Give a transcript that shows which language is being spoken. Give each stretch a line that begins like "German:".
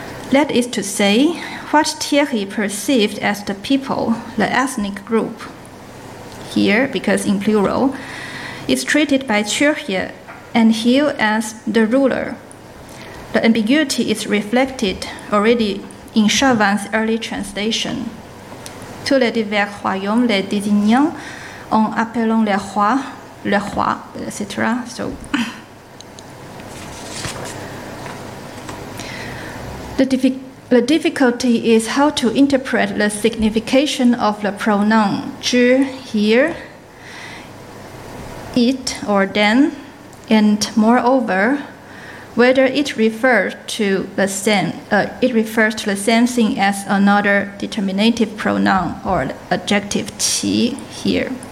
English: That is to say, what Thierry perceived as the people, the ethnic group, here, because in plural, is treated by Thierry and Hill as the ruler. The ambiguity is reflected already in Chavan's early translation.
French: Tous les divers royaumes les désignant en appelant le roi, etc.
English: So, the difficulty is how to interpret the signification of the pronoun 之 here, it or then, and moreover, whether it refers to the same, thing as another determinative pronoun or adjective 其 here.